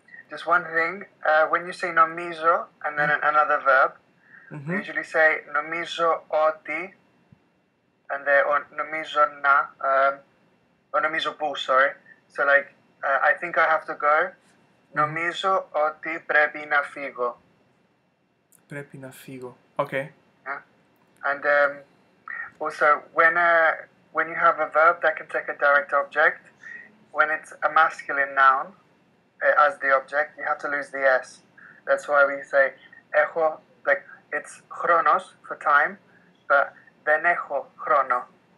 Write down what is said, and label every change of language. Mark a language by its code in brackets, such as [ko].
[en] Just one thing, when you say nomizo and then another verb, we usually say nomizo oti and then nomizo na, or nomizo bu, sorry. So, like, I think I have to go. [el] Νομίζω ότι πρέπει να φύγω. Πρέπει να φύγω. [en] Okay. Yeah. And also, when you have a verb that can take a direct object, when it's a masculine noun as the object, you have to lose the S. That's why we say, έχω, like, it's χρόνος for time, but [el] δεν έχω χρόνο.